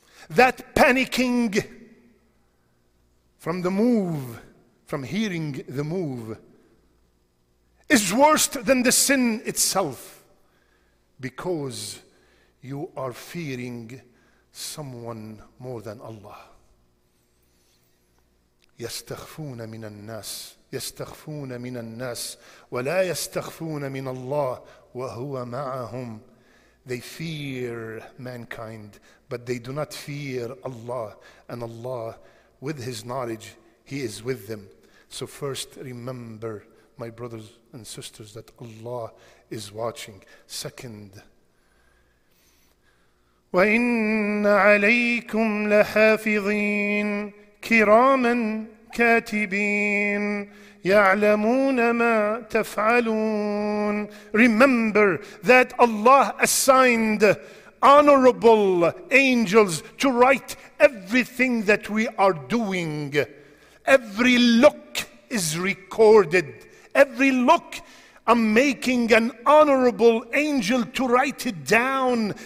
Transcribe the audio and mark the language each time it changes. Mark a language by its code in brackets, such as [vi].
[en] That panicking from the move, from hearing the move, is worse than the sin itself, because you are fearing someone more than Allah. [ar] يستخفون من الناس يستخفون من الناس ولا يستخفون من الله وهو معهم. [en] They fear mankind, but they do not fear Allah, and Allah, with His knowledge, He is with them. So first, remember, my brothers and sisters, that Allah is watching. Second, [ar] وَإِنَّ عَلَيْكُمْ لَحَافِظِينَ كِرَامًا كاتبين يعلمون ما تفعلون. [en] Remember that Allah assigned honorable angels to write everything that we are doing. Every look is recorded. Every look, I'm making an honorable angel to write it down.